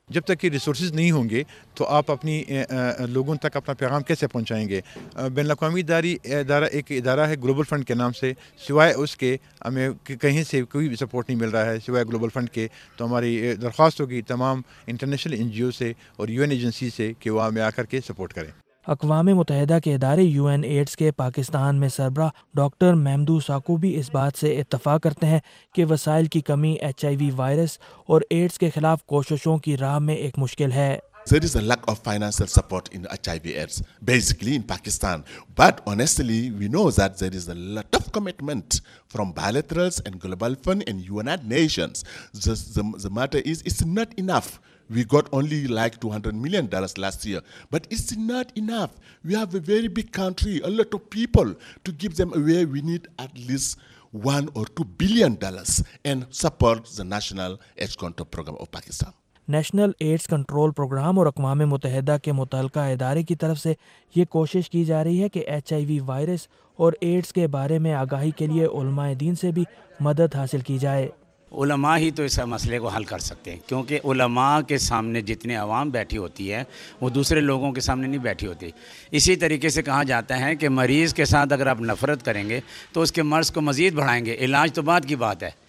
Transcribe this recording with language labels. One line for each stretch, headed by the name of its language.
Urdu: جب تک کہ ریسورسز نہیں ہوں گے تو آپ اپنی لوگوں تک اپنا پیغام کیسے پہنچائیں گے؟ بین الاقوامی ادارہ ایک ادارہ ہے گلوبل فنڈ کے نام سے، سوائے اس کے ہمیں کہیں سے کوئی سپورٹ نہیں مل رہا ہے سوائے گلوبل فنڈ کے۔ تو ہماری درخواست ہوگی تمام انٹرنیشنل این جی او سے اور یو این ایجنسی سے کہ وہ ہمیں آ کر کے سپورٹ کریں۔ اقوام متحدہ کے ادارے یو این ایڈز کے پاکستان میں سربراہ ڈاکٹر محمدو ساکو بھی اس بات سے اتفاق کرتے ہیں کہ وسائل کی کمی ایچ آئی وی وائرس اور ایڈز کے خلاف کوششوں کی راہ میں ایک مشکل ہے۔
English: There is a lack of financial support in HIV AIDS, basically in Pakistan. But honestly, we know that there is a lot of commitment from bilaterals and global fund and United Nations. The matter is, it's not enough. We got only like $200 million last year, but it's not enough. We have a very big country, a lot of people. To give them away, we need at least $1 or $2 billion and support the National AIDS Control Program of Pakistan.
Urdu: National AIDS control programme اور اقوام متحدہ کے متعلقہ ادارے کی طرف سے یہ کوشش کی جا رہی ہے کہ ایچ آئی وی وائرس اور ایڈز کے بارے میں آگاہی کے لیے علماء دین سے بھی مدد حاصل کی جائے۔ علماء ہی تو اس مسئلے کو حل کر سکتے ہیں، کیونکہ علماء کے سامنے جتنے عوام بیٹھی ہوتی ہے وہ دوسرے لوگوں کے سامنے نہیں بیٹھی ہوتی۔ اسی طریقے سے کہا جاتا ہے کہ مریض کے ساتھ اگر آپ نفرت کریں گے تو اس کے مرض کو مزید بڑھائیں گے، علاج تو بعد کی بات ہے۔